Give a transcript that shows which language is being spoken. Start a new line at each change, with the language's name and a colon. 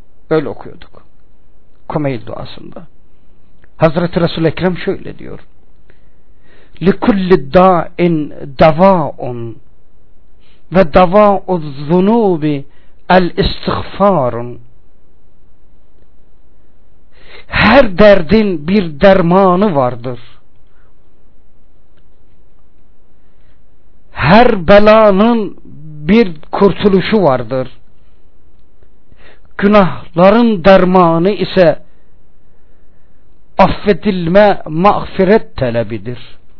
Turkish: Öyle okuyorduk Kümeyl duasında. Hazreti Resul-i Ekrem şöyle diyor:
Arabic: لِكُلِّ دَاءٍ دَوَاءٌ وَدَوَاءُ الظُّنُوبِ الْاِسْتِغْفَارٌ.
Turkish: Her derdin bir dermanı vardır. Her belanın bir kurtuluşu vardır. Günahların dermanı ise affedilme, mağfiret talebidir.